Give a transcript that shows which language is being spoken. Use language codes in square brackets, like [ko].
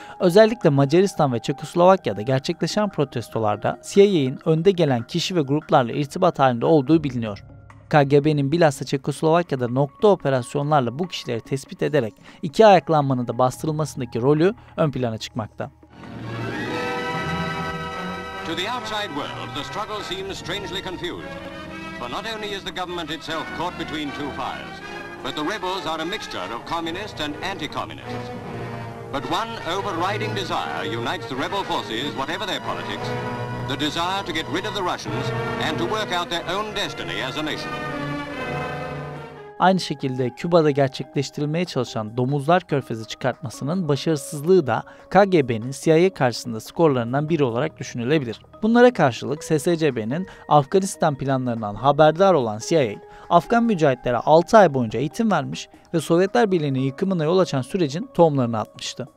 [tr] Özellikle Macaristan ve Çekoslovakya'da gerçekleşen protestolarda CIA'nin önde gelen kişi ve gruplarla irtibat halinde olduğu biliniyor. KGB'nin bilhassa Çekoslovakya'da nokta operasyonlarla bu kişileri tespit ederek iki ayaklanmanın da bastırılmasındaki rolü ön plana çıkmakta. [en] To the outside world, the struggle seems strangely confused. For not only is the government itself caught between two fires, but the rebels are a mixture of communist and anti-communist. But one overriding desire unites the rebel forces, whatever their politics. The desire to get rid of the Russians and to work out their own destiny as a nation. [tr] Aynı şekilde Küba'da gerçekleştirilmeye çalışan domuzlar körfezi çıkartmasının başarısızlığı da KGB'nin CIA karşısında skorlarından biri olarak düşünülebilir. Bunlara karşılık SSCB'nin Afganistan planlarından haberdar olan CIA, Afgan mücahitlere 6 ay boyunca eğitim vermiş ve Sovyetler Birliği'nin yıkımına yol açan sürecin tohumlarını atmıştı.